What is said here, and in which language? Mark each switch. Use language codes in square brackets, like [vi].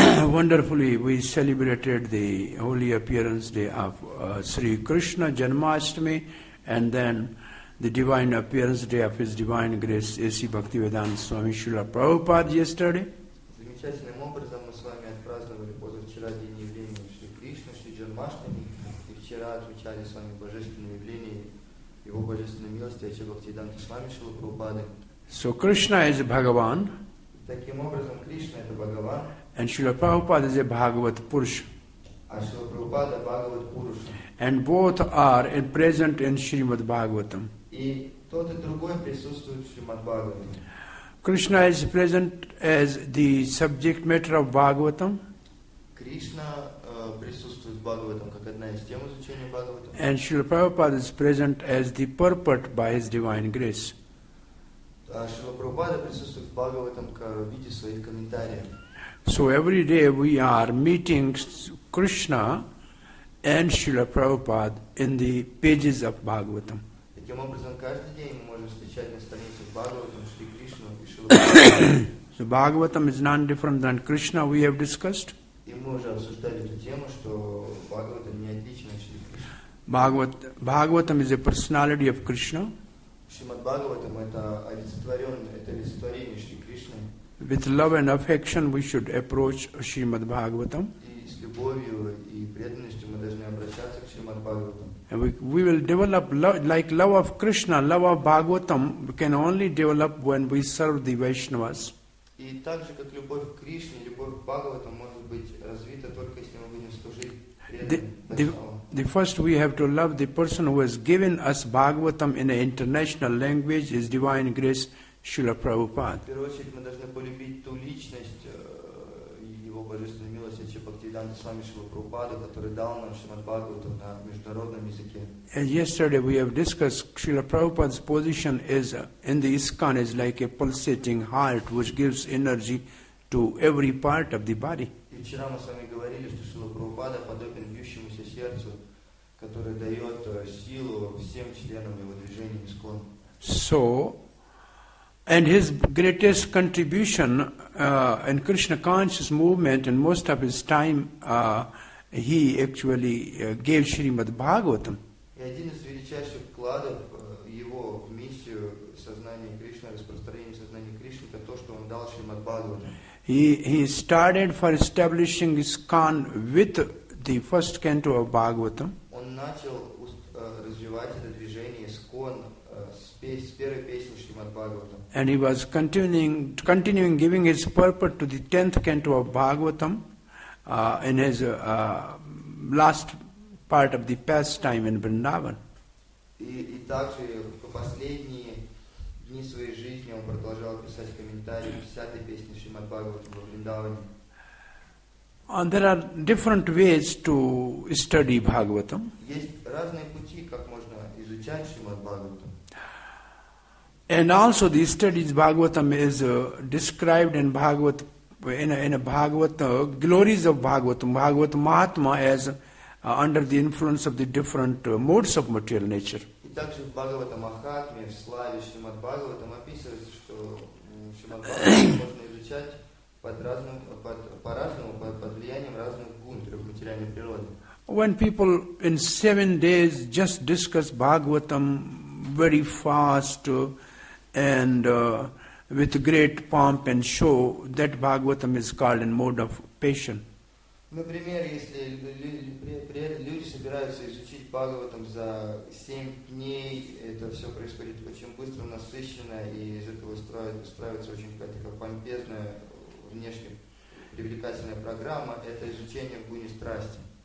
[en] Wonderfully, we celebrated the holy appearance day of Sri Krishna Janmashtami and then the divine appearance day of His divine grace A.C. Bhaktivedanta Swami Srila Prabhupada yesterday. [ru] Замечательным образом мы с вами отпраздновали позавчера день явления Шри Кришны, Шри Джанмаштами, и вчера отмечали с вами божественное явление Его божественной милости Ачи Бхактиданта Свами Шрила Прабхупады. [en] So Krishna is Bhagavan. [ru] Таким образом, Кришна это Бхагаван. [en] And Шрила Прабхупада is a Bhagavat Purusha. [ru] А Шрила Прабхупада Бхагават Пуруша. [en] And both are in present in Srimad Bhagavatam. [ru] И тот и другой присутствует в Шримад Бхагаватам. [en] Krishna is present as the subject matter of Bhagavatam. [ru] Krishna присутствует в Бхагаватам как одна из тем изучения Бхагаватам. [en] And Srila Prabhupada is present as the purport by his divine grace. [ru] Srila Prabhupada присутствует в Бхагаватам как в виде своих комментариев. [en] So every day we are meeting Krishna and Srila Prabhupada in the pages of Bhagavatam. [ru] Таким образом, каждый день мы можем встречать на странице Бхагаватам Шри Кришну и Шрила Прабхупада. [en] So Bhagavatam is none different than Krishna, we have discussed. [ru] И мы уже обсуждали эту тему, что Бхагаватам не отличен от Шри [en] Кришны. Бхагаватам is a personality of Krishna. [ru] Шримад Бхагаватам это олицетворенное, это олицетворение Шри Кришны. [en] With love and affection we should approach Srimad Bhagavatam. [ru] И с любовью и преданностью мы должны обращаться к Шримад Бхагаватам. [en] And we will develop love, like love of Krishna, love of Bhagavatam can only develop when we serve the Vaishnavas. [ru] И так же, как любовь к Кришне, любовь к Бхагаватам может быть развита только если мы будем служить преданно. [en] The first we have to love the person who has given us Bhagavatam in an international language, his divine grace, Srila Prabhupada. [ru] В первую очередь мы должны полюбить ту личность, его божественную милость, Бхактивиданта Свами Шрила Прабхупада, который дал нам Шримад Бхагаватам на международном языке. [en] And yesterday we have discussed Srila Prabhupada's position is in the ISKCON is like a pulsating heart which gives energy to every part of the body. [ru] И вчера мы с вами говорили, что Шрила Прабхупада подобен бьющемуся сердцу, которое дает силу всем членам его движения ISKCON. [en] So, and his greatest contribution in Krishna conscious movement and most of his time he actually gave Srimad Bhagavatam. [ru] И один из величайших вкладов его в миссию сознания Кришны, распространение сознания Кришны, это то, что он дал Шримад Бхагаватам. [en] He started for establishing ISKCON with the first canto of Bhagavatam. [ru] Он начал развивать это движение ISKCON с первой песни Шримад Бхагаватам. [en] And he was continuing giving his purport to the 10th canto of Bhagavatam in his last part of the pastime in Vrindavan. [ru] И также в последние дни своей жизни он продолжал писать комментарии к 10-й песне Шримад Бхагаватам во Вриндаване. [en] And there are different ways to study Bhagavatam. [ru] Есть разные пути, как можно изучать Шримад Бхагаватам. [en] And also the studies Bhagavatam is described in Bhagavat in a Bhagavat glories of Bhagavatam, Bhagavat Mahatma as under the influence of the different modes of material nature. [ru] И также в Бхагаватам Махатме, в славе Шримад Бхагаватам описывается, что Шримад Бхагаватам можно изучать под влиянием разных гун, трех материальных природ. [en] When people in 7 days just discuss Bhagavatam very fast, and with great pomp and show, that Bhagavatam is called in mode of passion. [ru] Например, если люди собираются изучить Бхагаватам за 7 дней, это все происходит очень быстро, насыщенно, и из этого устраивается очень какая-то помпезная, внешне привлекательная программа, это изучение гуни страсти.